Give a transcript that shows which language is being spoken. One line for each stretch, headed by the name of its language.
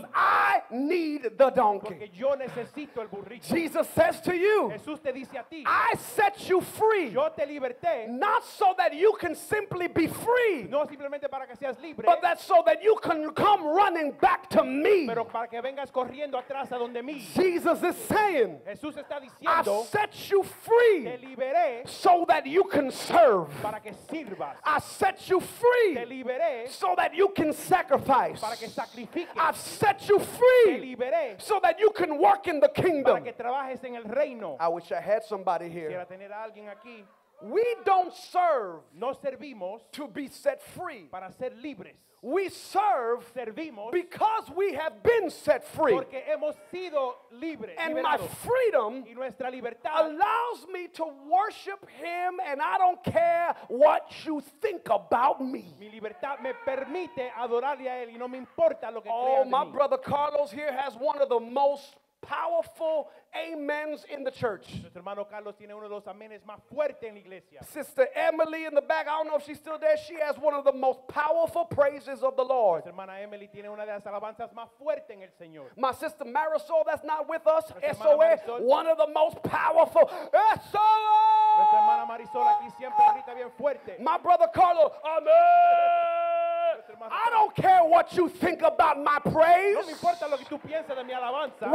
Spanish: mí.
English: I need the donkey.
Spanish: Porque yo necesito el burrito.
English: Jesus says to you,
Spanish: Jesús te dice a ti,
English: I set you free.
Spanish: Yo te liberté,
English: not so that you can simply be free.
Spanish: No simplemente para que seas libre,
English: but that so that you can come running back to me.
Spanish: Pero para que vengas corriendo atrás a donde mí.
English: Jesus is saying,
Spanish: Jesús está diciendo,
English: I set you free.
Spanish: te liberé,
English: so that you can serve.
Spanish: Para que sirvas.
English: I set you free,
Spanish: te liberé,
English: so that you can sacrifice.
Spanish: Para que sacrifiques.
English: I set you free,
Spanish: te liberé,
English: so that you can work in the kingdom.
Spanish: Para que trabajes en el reino.
English: I wish I had somebody here.
Spanish: Quisiera tener a alguien aquí.
English: We don't serve,
Spanish: no servimos,
English: to be set free.
Spanish: Para ser libres.
English: We serve,
Spanish: servimos,
English: because we have been set free.
Spanish: Porque hemos sido libres,
English: and my freedom,
Spanish: y nuestra libertad,
English: allows me to worship him, and I don't care what you think about me.
Spanish: Mi libertad me permite adorarle a él, y no me importa lo que crea de mí.
English: Oh, my brother Carlos here has one of the most powerful amens in the church.
Spanish: Nuestro hermano Carlos tiene uno de los amenes más fuertes en la iglesia.
English: Sister Emily in the back, I don't know if she's still there. She has one of the most powerful praises of the Lord.
Spanish: Nuestra hermana Emily tiene una de las alabanzas más fuertes en el Señor.
English: My sister Marisol, that's not with us, SOA, one of the most powerful SOA.
Spanish: Nuestra hermana Marisol aquí siempre grita bien fuerte.
English: My brother Carlos, amen. I don't care what you think about my praise.
Spanish: No me importa lo que tú pienses de mi alabanza.